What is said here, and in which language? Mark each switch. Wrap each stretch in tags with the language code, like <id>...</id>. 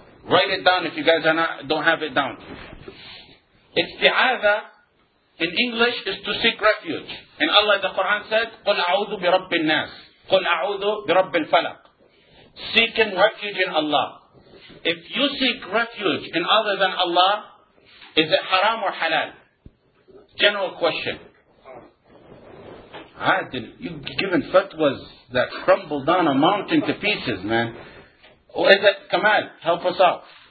<en>Write it down if you guys don't have it down. Isti'aza in English is to seek refuge. And Allah in the Quran said,</en> <ar>قُلْ أَعُوذُ بِرَبِّ النَّاسِ قُلْ أَعُوذُ بِرَبِّ الْفَلَقِ.</ar> <en>Seeking refuge in Allah. If you seek refuge in other than Allah, is it haram or halal? General question. Adil, you've given fatwas that crumble down a mountain to pieces, man. Is it Kamal? Help us out.</en>